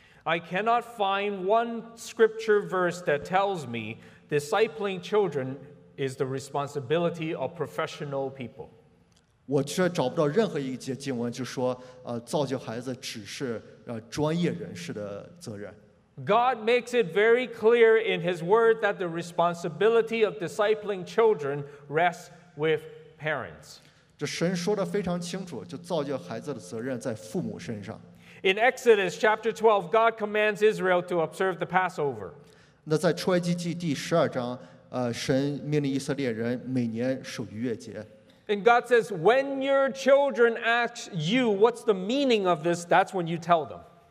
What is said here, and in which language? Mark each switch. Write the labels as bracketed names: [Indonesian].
[English] I cannot find one scripture verse that tells me discipling children is the responsibility of professional people. [Chinese] 我却找不到任何一节经文就说，造就孩子只是专业人士的责任。 [English] God makes it very clear in His Word that the responsibility of discipling children rests with parents. [Chinese] 这神说的非常清楚，就造就孩子的责任在父母身上。 [English] In Exodus chapter 12, God commands Israel to observe the Passover. [Chinese] 那在出埃及记第十二章，神命令以色列人每年守逾越节。 [English] And God says, when your children ask you what's the meaning of this, that's when you tell them.